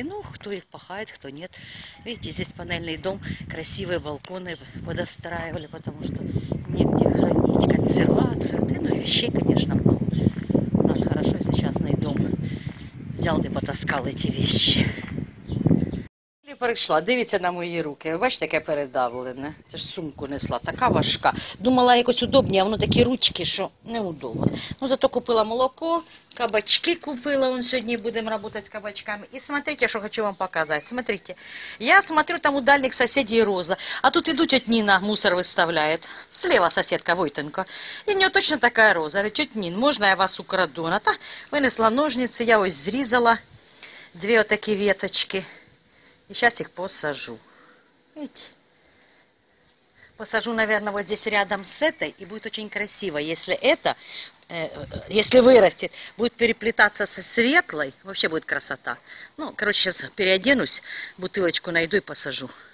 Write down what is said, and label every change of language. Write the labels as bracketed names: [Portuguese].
[Russian] Ну, кто их пахает, кто нет. Видите, здесь панельный дом, красивые балконы подостраивали, потому что негде хранить консервацию. Да, ну и вещей, конечно, много. У нас хорошо, если частный дом взял и потаскал эти вещи. [Ukrainian] Прийшла, дивіться на мої руки. Ви бачите, яке передавлене? Це ж сумку несла, така важка. Думала, якось удобні, а воно такі ручки, що неудобно. Ну, зато купила молоко, кабачки купила. Вон сьогодні будемо працювати з кабачками. І смотрите, що хочу вам показати. Смотрите, я смотрю, там у дальних сусідів Роза. А тут йдуть, от Ніна мусор виставляє. Слева сусідка Войтенко. І в нього точно така Роза. Говорить, от Нін, можна я вас украду? Вона та винесла ножниці, я ось зрізала дві отакі веточки. [Russian] И сейчас их посажу. Видите? Посажу, наверное, вот здесь рядом с этой. И будет очень красиво, если это, если вырастет, будет переплетаться со светлой. Вообще будет красота. Ну, короче, сейчас переоденусь, бутылочку найду и посажу.